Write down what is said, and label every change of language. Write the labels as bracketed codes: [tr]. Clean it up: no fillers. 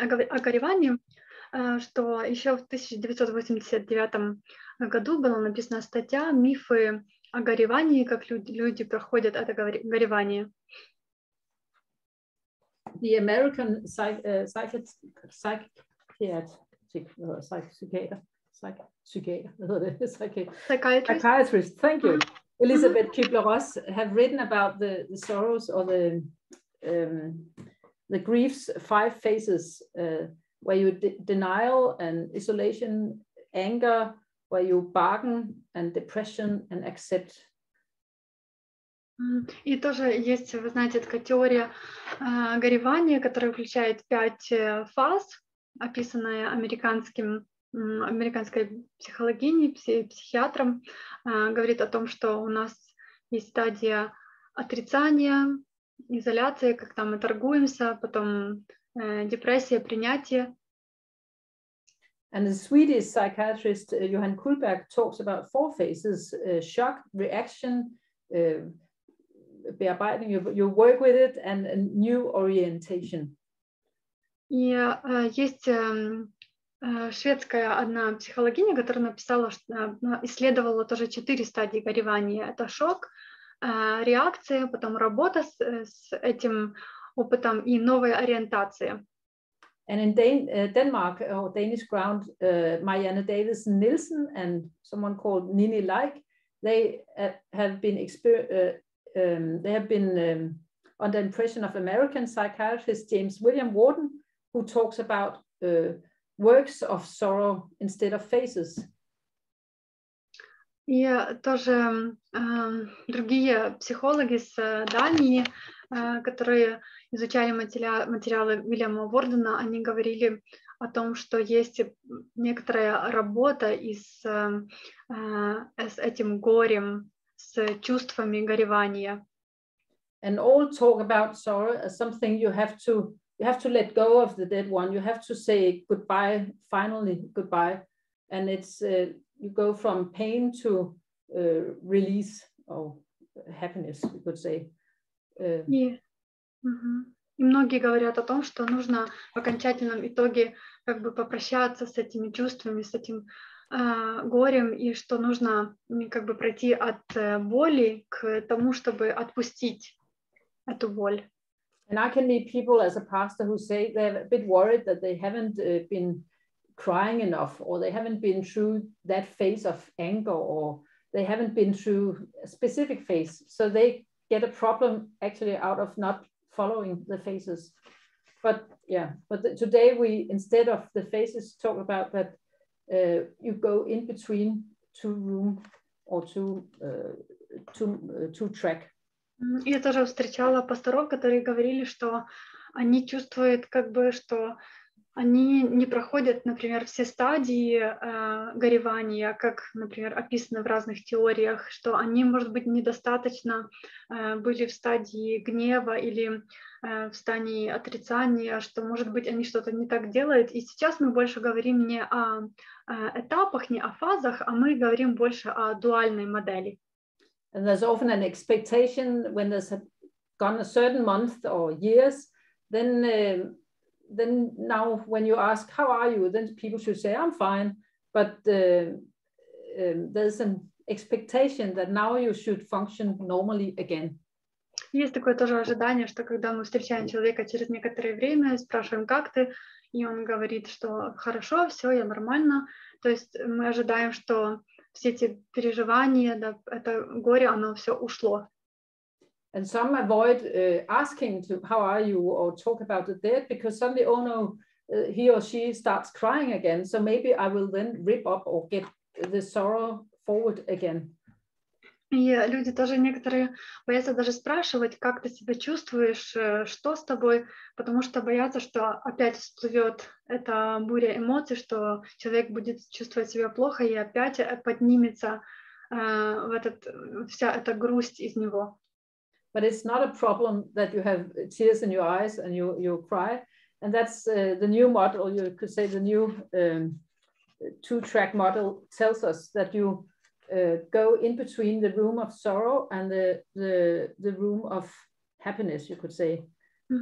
[ru] О горевании, что еще в 1989 году была написана статья «Мифы о горевании, как люди проходят это горевание». [en] The American psychiatrist, thank you, Elizabeth Kübler-Ross, have written about the sorrows or the grief's five phases, where you denial and isolation, anger, where you bargain and depression and accept. [ru] И тоже есть, вы знаете, такая теория горевания, которая включает 5 фаз, описанная американской психологиней, психиатром. Говорит о том, что у нас есть стадия отрицания, изоляция, когда мы торгуемся, потом депрессия, принятие. [en] And the Swedish psychiatrist Johan Kullberg talks about 4 phases: shock, reaction, bearbiting, you work with it, and a new orientation. [ru] И есть шведская одна психологиня, которая написала, исследовала тоже 4 стадии горевания. Это шок, реакция, потом работа с этим опытом и новая ориентация. [en] And in Denmark, or Danish ground, Marianne Davidsen Nielsen and someone called Nini Like, they have been under impression of American psychiatrist James William Warden, who talks about works of sorrow instead of phases. [ru] И тоже другие психологи с Дании, которые изучали материалы Уильяма Вордена, они говорили о том, что есть некоторая работа с этим горем, с чувствами горевания. [en] And all talk about sorrow as something you have to let go of the dead one. You have to say goodbye, finally goodbye. And it's you go from pain to release or happiness, you could say. [ru] И многие говорят о том, что нужно в окончательном итоге как бы попрощаться с этими чувствами, с этим горем, и что нужно как бы пройти от боли к тому, чтобы отпустить эту боль. [en] And I can meet people as a pastor who say they're a bit worried that they haven't been crying enough, or they haven't been through that phase of anger, or they haven't been through a specific phase. So they get a problem actually out of not following the phases. But Yeah, but today we, instead of the faces, talk about that you go in between two room or two track. [ru] Я тоже встречала пасторов, которые говорили, что они чувствуют, как бы, что они не проходят, например, все стадии горевания, как, например, описано в разных теориях, что они, может быть, недостаточно были в стадии гнева или в стадии отрицания, что, может быть, они что-то не так делают. И сейчас мы больше говорим не о этапах, не о фазах, а мы говорим больше о дуальной модели. [en] And there's often an expectation when there's gone a certain month or years, then now when you ask how are you, then people should say I'm fine. But there's an expectation that now you should function normally again. [ru] Есть такое тоже ожидание, что когда мы встречаем человека через некоторое время, спрашиваем как ты, и он говорит, что хорошо, все, я нормально. То есть мы ожидаем, что все эти переживания, да, это горе, оно все ушло. [en] And some avoid asking to how are you or talk about the dead because suddenly, oh no, he or she starts crying again. So maybe I will then rip up or get the sorrow forward again. [ru] И люди тоже некоторые боятся даже спрашивать, как ты себя чувствуешь, что с тобой, потому что боятся, что опять всплывет эта буря эмоций, что человек будет чувствовать себя плохо и опять поднимется вся эта грусть из него. [en] But it's not a problem that you have tears in your eyes and you cry, and that's the new model, you could say the new two-track model tells us that you go in between the room of sorrow and the room of happiness, you could say, mm-hmm.